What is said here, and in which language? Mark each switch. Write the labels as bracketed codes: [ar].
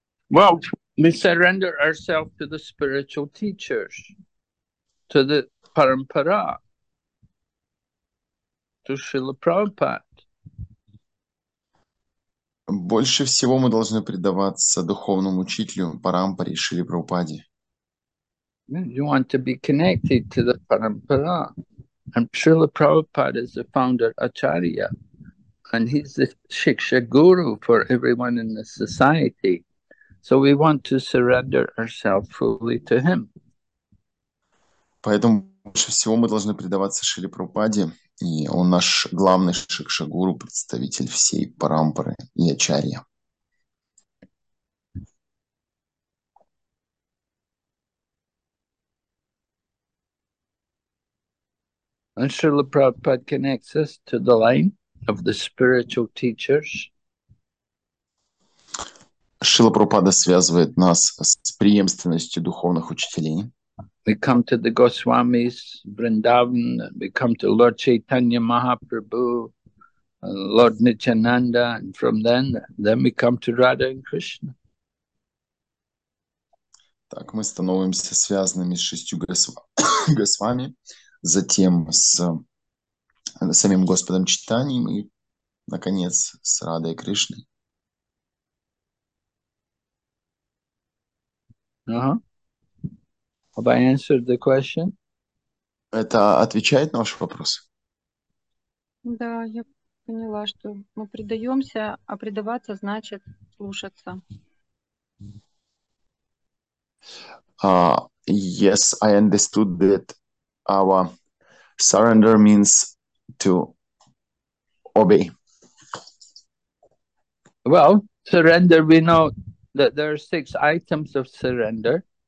[en] Well, we surrender ourselves to the spiritual teachers, to the parampara, to Srila Prabhupada. [ru] Больше всего мы должны предаваться духовному учителю Парампаре Шри Прабхупаде. [en] You want to be connected to the Parampara. And Srila Prabhupada is the founder Acharya. And he's the Shiksha Guru for everyone in the society. So we want to surrender ourselves fully to him. [ru] Поэтому больше всего мы должны предаваться Шри Прабхупаде. И он наш главный шикшагуру, представитель всей парампары и ачарья. [en] And Srila Prabhupada connects us to the line of the spiritual teachers. [ru] Шрила Прабхупада связывает нас с преемственностью духовных учителей. [en] We come to the Goswamis, Vrindavan, we come to Lord Chaitanya Mahaprabhu, Lord Nityananda, and from then we come to Radha and Krishna. [ru] Так, мы становимся связанными с шестью Госвами, затем с самим Господом Чайтаньей, и, наконец, с Радой Кришной. [en] Have I answered the question? [ru] Это отвечает на ваш вопрос? Да, я поняла, что мы предаемся, а предаваться значит слушаться. [en] Yes, I understood that our surrender means to obey. Well, surrender, we know that there are six items of surrender.